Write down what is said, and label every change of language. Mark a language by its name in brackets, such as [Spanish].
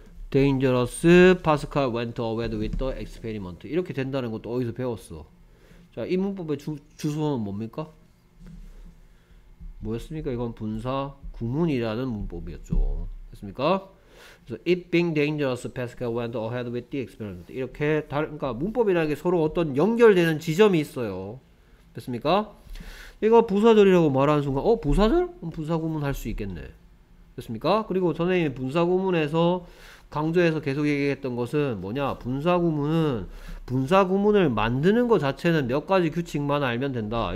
[English] Dangerous, Pascal went ahead with the experiment. [Korean] 이렇게 된다는 것도 어디서 배웠어? 자, 이 문법의 주소는 뭡니까? 뭐였습니까? 이건 분사 구문이라는 문법이었죠. 됐습니까? [English] So, it being dangerous, Pascal went ahead with the experiment. [Korean] 이렇게 그러니까 문법이라는 게 서로 어떤 연결되는 지점이 있어요. 됐습니까? 이거 부사절이라고 말하는 순간, 부사절? 그럼 분사구문 할 수 있겠네. 됐습니까? 그리고 선생님이 분사구문에서 강조해서 계속 얘기했던 것은 뭐냐? 분사구문은 분사구문을 만드는 것 자체는 몇 가지 규칙만 알면 된다.